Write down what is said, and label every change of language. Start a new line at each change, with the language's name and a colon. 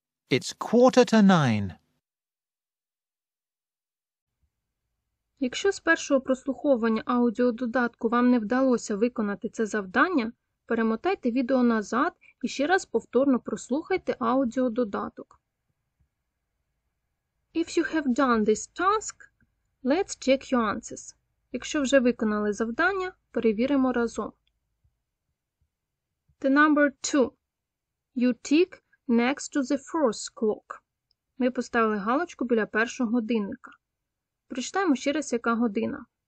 English: It's 9:15.
Ukrainian: Якщо з першого прослуховування аудіододатку вам не вдалося виконати це завдання, перемотайте відео назад і ще раз повторно прослухайте аудіододаток.
English: If you have done this task, let's check your answers.
Ukrainian: Якщо вже виконали завдання, перевіримо разом.
English: The number 2. You tick next to the first clock.
Ukrainian: Ми поставили галочку біля першого годинника. Прочитаємо ще раз, яка година.